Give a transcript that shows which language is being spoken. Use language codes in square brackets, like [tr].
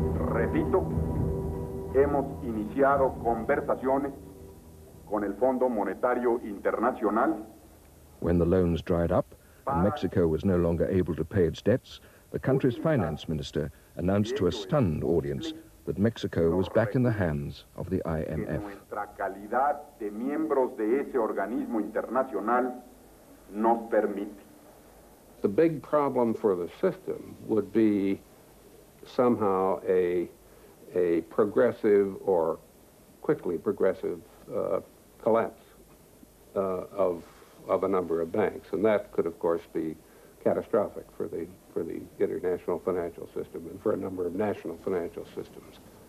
[es] Repito, hemos iniciado conversaciones con el Fondo Monetario Internacional. [en] When the loans dried up and Mexico was no longer able to pay its debts, the country's finance minister announced to a stunned audience that Mexico was back in the hands of the IMF. [es] Nuestra calidad de miembros de ese organismo internacional nos permite. [en] The big problem for the system would be somehow a progressive or quickly progressive collapse of a number of banks, and that could of course be catastrophic for the international financial system and for a number of national financial systems.